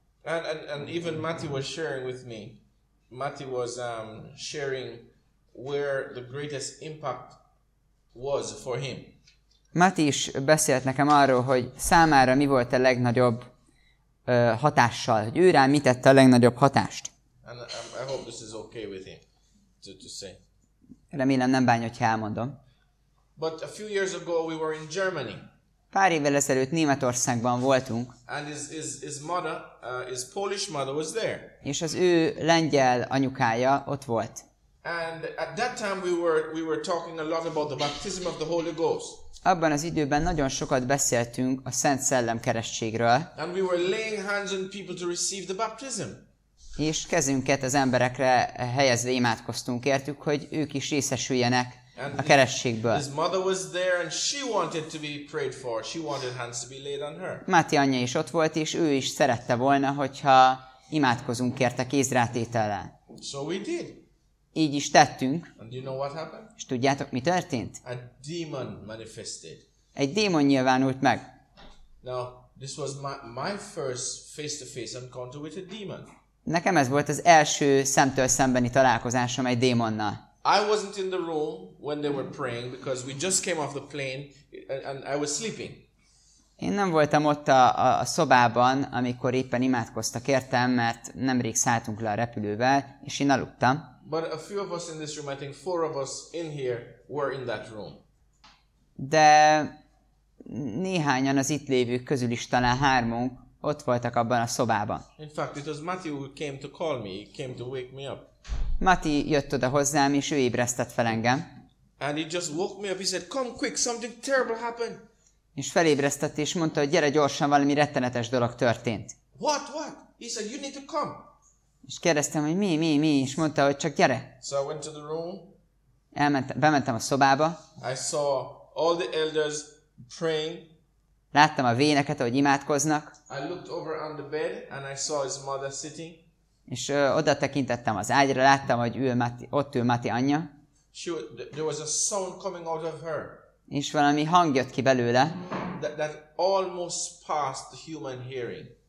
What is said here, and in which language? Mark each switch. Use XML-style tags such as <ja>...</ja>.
<en>And even Matthew was sharing with me Matti was sharing where the greatest impact was for him.</en> <hu>Matti is beszélt nekem arról, hogy számára mi volt a legnagyobb hatással, hogy ő rá mit tette a legnagyobb hatást.</hu> <en>And I hope this is okay with him to say.</en> <hu>Remélem nem bánja, hogy elmondom.</hu> <en>But a few years ago we were in Germany.</en> <hu>Pár évvel ezelőtt Németországban voltunk.</hu> <en>And his mother, his Polish mother was there.</en> <hu>És az ő lengyel anyukája ott volt.</hu> <en>And at that time we were talking a lot about the baptism of the Holy Ghost.</en> <hu>Abban az időben nagyon sokat beszéltünk a Szent Szellem keresztségről.</hu> <en>And we were laying hands on people to receive the baptism.</en> <hu>És kezünket az emberekre helyezve imádkoztunk, értük, hogy ők is részesüljenek a keresztségből.</hu> <en>His mother was there and she wanted to be prayed for. She wanted hands to be laid on her.</en> <hu>Máté anyja is ott volt, és ő is szerette volna, hogyha imádkozunk érte kézrátétellel.</hu> <en>So we did.</en> <hu>Így is tettünk.</hu> <en>And you know what happened?</en> <hu>És tudjátok, mi történt?</hu> <en>A demon manifested.</en> <hu>Egy démon nyilvánult meg.</hu> <en>Now, this was my first face-to-face encounter with a demon.</en> <hu>Nekem ez volt az első szemtől szembeni találkozásom egy démonnal.</hu> <en>I wasn't in the room when they were praying because we just came off the plane and I was sleeping.</en> <hu>Én nem voltam ott a szobában, amikor éppen imádkoztak értem, mert nemrég szálltunk le a repülővel, és én aludtam.</hu> <en>But a few of us in this room, I think four of us in here were in that room.</en> <hu>De néhányan az itt lévők közül is talán hármunk ott voltak abban a szobában.</hu> <en>In fact, it was Matthew who came to call me, he came to wake me up.</en> <hu>Matti jött oda hozzám, és ő ébresztett fel engem.</hu> <en>And he just woke me up, he said, come quick, something terrible happened.</en> <hu>És felébresztett, és mondta, hogy gyere gyorsan, valami rettenetes dolog történt.</hu> <en>What, what? He said, you need to come.</en> <hu>És kérdeztem, hogy mi, és mondta, hogy csak gyere.</hu> <en>So I went to the room.</en> <hu>Bementem a szobába.</hu> <en>I saw all the elders praying.</en> <hu>Láttam a véneket, ahogy imádkoznak.</hu> <en>I looked over on the bed, and I saw his mother sitting.</en> <hu>És oda tekintettem az ágyra, láttam, hogy ott ül Matti anyja.</hu> <en>There was a sound coming out of her.</en> <hu>És valami hang jött ki belőle.</hu> <en>That almost passed the human hearing.</en>